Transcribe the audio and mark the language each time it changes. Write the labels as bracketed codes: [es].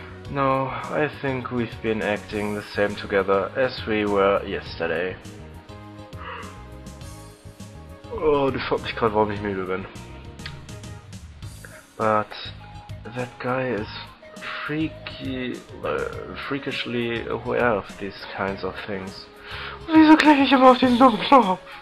[en] No, I think we've been acting the same together as we were yesterday. [de] Oh, du fragst mich gerade, warum ich müde bin. [en] But that guy is freakishly aware of these kinds of things. [de] Wieso klicke ich immer auf diesen dummen Knopf?